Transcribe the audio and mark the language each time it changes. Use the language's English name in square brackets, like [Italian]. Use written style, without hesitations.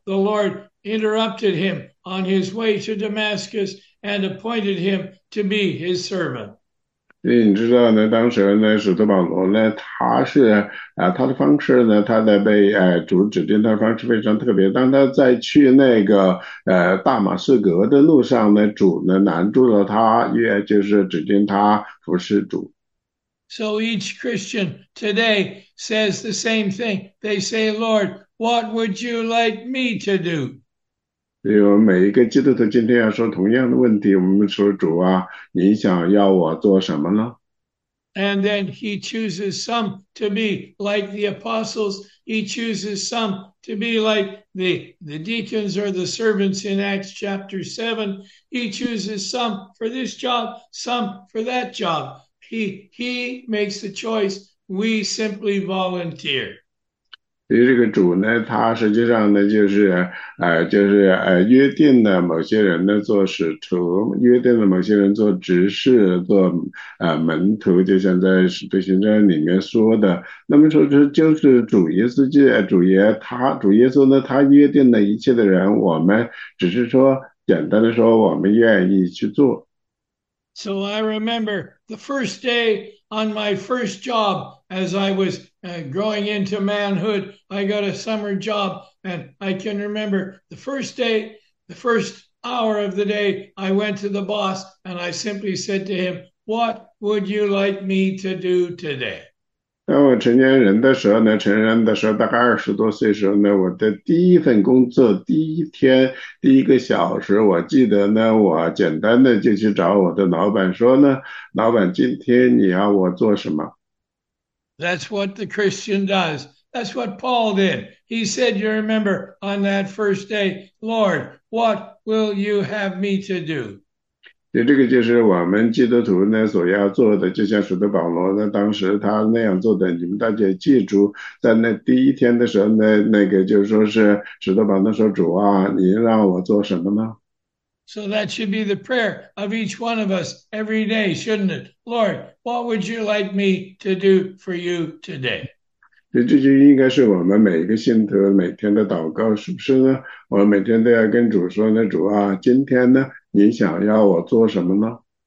[English] The Lord interrupted him on his way to Damascus and appointed him to be his servant. [Chinese] 所以你知道呢，当时呢，使徒保罗呢，他的方式呢，他的被主指定他的方式非常特别。当他在去那个大马士革的路上呢，主呢拦住了他，也就是指定他服侍主。 [English] So each Christian today says the same thing. They say, Lord, what would you like me to do? [Chinese] 所以我们每一个基督徒今天要说同样的问题，我们说主啊，您想要我做什么呢？ [English] And then he chooses some to be like the apostles. He chooses some to be like the deacons or the servants in Acts chapter 7. He chooses some for this job, some for that job. He makes the choice. We simply volunteer. [Chinese] 所以这个主呢，他实际上呢，约定了某些人呢做使徒，约定了某些人做执事，做门徒，就像在《使徒行传》里面说的。那么说这就是主耶稣基督，主耶稣呢，他约定了一切的人，我们只是说简单的说，我们愿意去做。 [English] So I remember the first day on my first job as I was growing into manhood. I got a summer job, and I can remember the first day, the first hour of the day, I went to the boss and I simply said to him, What would you like me to do today? [Chinese] 当我成年人的时候呢，成人的时候大概20多岁时候呢，我的第一份工作第一天第一个小时，我记得呢，我简单的就去找我的老板说呢，老板，今天你要我做什么？ [English] That's what the Christian does. That's what Paul did. He said, you remember, on that first day, Lord, what will you have me to do? [Chinese] 所以这个就是我们基督徒呢所要做的，就像使徒保罗呢当时他那样做的。你们大家记住，在那第一天的时候呢，那个就是说是使徒保罗说：“主啊，你让我做什么呢？” [English] So that should be the prayer of each one of us every day, shouldn't it? Lord, what would you like me to do for you today? [Chinese] 这就应该是我们每一个信徒每天的祷告，是不是呢？我每天都要跟主说呢，主啊，今天呢，你想要我做什么呢？